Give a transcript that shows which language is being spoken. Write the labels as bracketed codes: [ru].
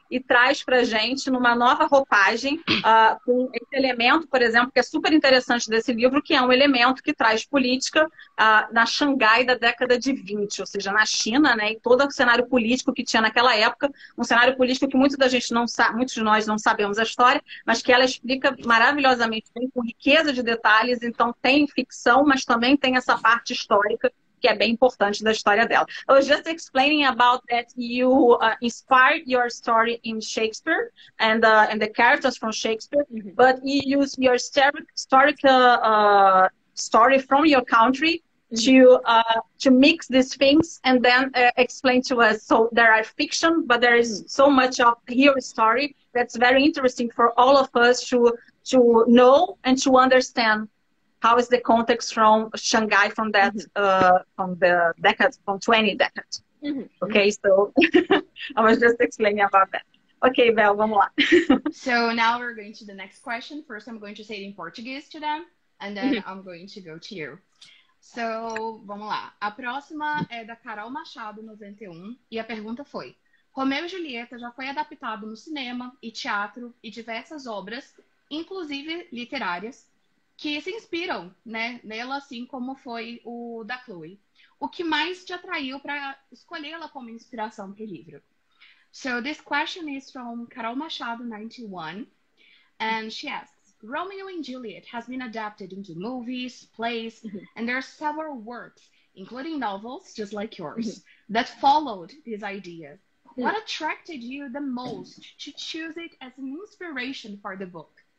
[pt] E traz pra gente numa nova roupagem com esse elemento, por exemplo, que é super interessante desse livro, que é um elemento que traz política na Xangai da década de 20, ou seja, na China, né? E todo o cenário político que tinha naquela época, um cenário político que muitos de nós não sabemos a história, mas que ela explica maravilhosamente bem, com riqueza de detalhes. Então tem ficção, mas também tem essa parte histórica que é bem importante da história dela. [en] I was just explaining about that you inspired your story in Shakespeare and the characters from Shakespeare, but you use your story from your country to mix these things and then explain to us. So there are fiction, but there is so much of your story that's very interesting for all of us to know and to understand. How is the context from Shanghai from that from the decades, from 20 decades? Mm-hmm. Okay, so I was just explaining about that. [pt] Okay, Bel, vamos lá. [en] So now we're going to the next question. First, I'm going to say it in Portuguese to them, and then I'm going to go to you. [pt] So, vamos lá. A próxima é da Carol Machado, 91, e a pergunta foi: Romeu e Julieta já foi adaptado no cinema e teatro e diversas obras, inclusive literárias, que se inspiram, né, nela, assim como foi o da Chloe. O que mais te atraiu para escolhê-la como inspiração para o livro? [en] So this question is from Carol Machado, 91, and she asks, Romeo and Juliet has been adapted into movies, plays, and there are several works, including novels, just like yours, that followed this idea. What attracted you the most to choose it as an inspiration for the book?